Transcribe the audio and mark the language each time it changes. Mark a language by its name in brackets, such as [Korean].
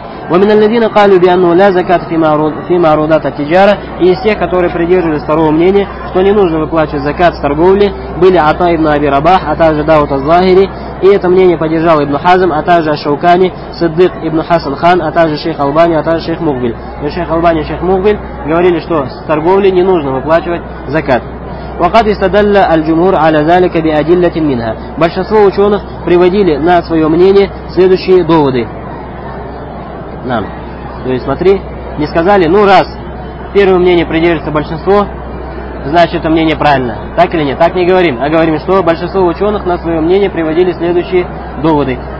[Arabic] ومن الذين قالوا بأنه لا زكاة في معروضات التجارة [Russian] и из тех, которые придерживались второго мнения, что не нужно выплачивать закат с торговли, были Ата ибн Аби Рабах, а также Дауд аз-Захири, и это мнение поддержал ибн Хазм, а также Ашаукани, Саддык ибн Хасан Хан, а также шейх Албани, а также шейх Мухбиль. И шейх Албани и шейх Мухбиль говорили, что с торговли не нужно выплачивать закат. [Arabic] وقد استدل الجمهور على ذلك بأدلة منها. [Russian] Большинство ученых приводили на свое мнение следующие доводы. Нам. То есть смотри, не сказали, ну раз первое мнение придерживается большинство, значит это мнение правильно. Так или нет? Так не говорим. А говорим, что большинство ученых на свое мнение приводили следующие доводы.